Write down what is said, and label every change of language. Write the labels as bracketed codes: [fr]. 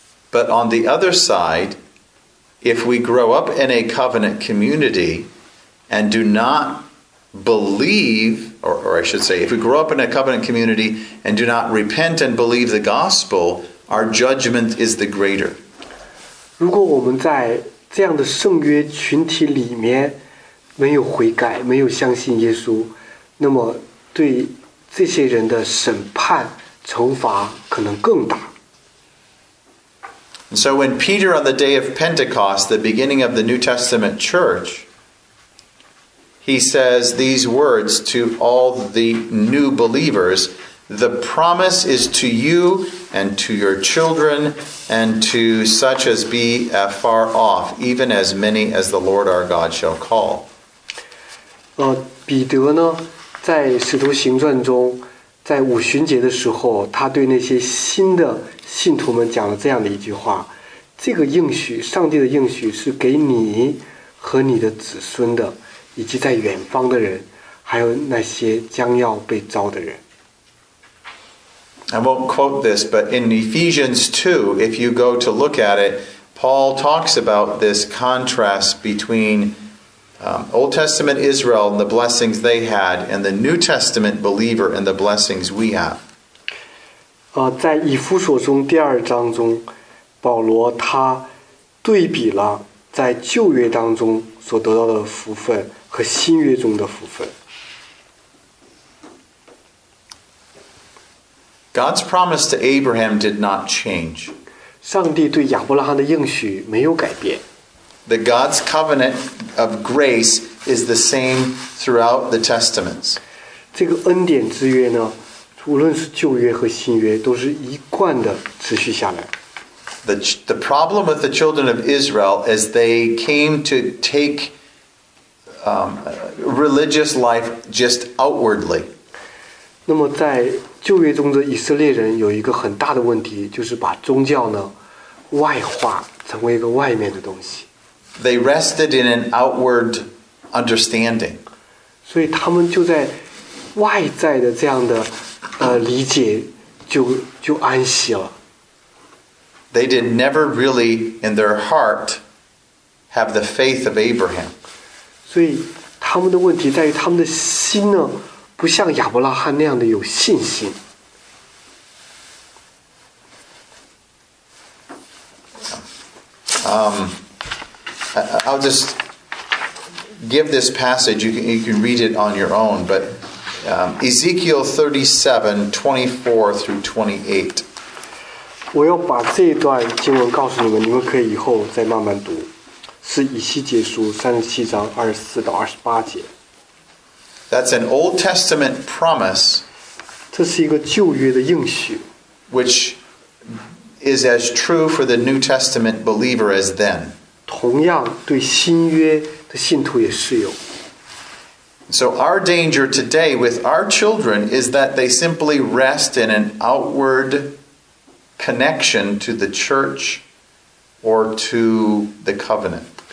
[en] But on the other side, if we grow up in a covenant community,And do not believe, or I should say, if we grow up in a covenant community and do not repent and believe the gospel, our judgment is the greater. [zh] 如果我们在这样的圣约群体里面没有悔改，没有相信耶稣，那么对这些人的审判、惩罚可能更大。 [en] And so when Peter on the day of Pentecost, the beginning of the New Testament church,He says these words to all the new believers, the promise is to you and to your children and to such as be afar off, even as many as the Lord our God shall call. [zh] 彼得呢，在使徒行传中，在五旬节的时候，他对那些新的信徒们讲了这样的一句话，这个应许，上帝的应许是给你和你的子孙的。以及在远方的人，还有那些将要被召的人。 [en] I won't quote this, but in Ephesians 2, if you go to look at it, Paul talks about this contrast between Old Testament Israel and the blessings they had, and the New Testament believer and the blessings we have. [zh] 在以弗所中第二章中，保罗他对比了在旧约当中所得到的福分。和新约中的福分。 [en] God's promise to Abraham did not change. [zh] 上帝对亚伯拉罕的应许没有改变。 [en] The God's covenant of grace is the same throughout the testaments. [zh] 这个恩典之约呢，无论是旧约和新约，都是一贯的持续下来。 [en] The problem with the children of Israel is they came to take. Religious life just outwardly. [zh] 那么在旧约中的以色列人有一个很大的问题，就是把宗教呢外化，成为一个外面的东西。 [en] They rested in an outward understanding. [zh] 所以他们就在外在的这样的理解就安息了。 [en] They did never really in their heart have the faith of Abraham. [zh] 所以他们的问题在于他们的心呢，不像亚伯拉罕那样的有信心。 [en] I'll just give this passage. You can read it on your own, but Ezekiel 37, 24 through 28. [zh] 我要把这一段经文告诉你们，你们可以以后再慢慢读。是以西结书37章24到28节。 [en] That's an Old Testament promise. [zh] 这是一个旧约的应许。 [en] Which is as true for the New Testament believer as then. [zh] 同样对新约的信徒也适用。 [en] So our danger today with our children is that they simply rest in an outward connection to the church or to the covenant.